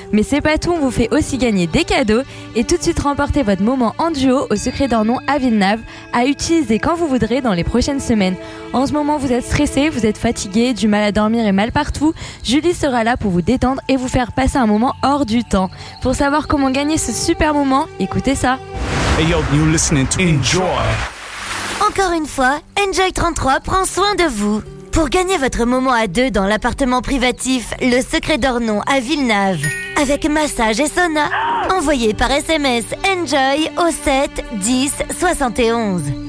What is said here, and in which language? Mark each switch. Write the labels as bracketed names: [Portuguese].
[French] Mais c'est pas tout, on vous fait aussi gagner des cadeaux et tout de suite remporter votre moment en duo au secret d'un nom à Villeneuve, à utiliser quand vous voudrez dans les prochaines semaines. En ce moment, vous êtes stressé, vous êtes fatigué, du mal à dormir et mal partout. Julie sera là pour vous détendre et vous faire passer un moment hors du temps. Pour savoir comment gagner ce super moment, écoutez ça. [English] Hey yo, you listening to Enjoy. [French] Encore une fois, Enjoy 33 prend soin de vous. Pour gagner votre moment à deux dans l'appartement privatif Le Secret d'Ornon à Villeneuve, avec massage et sauna, envoyez par SMS Enjoy au 7 10 71.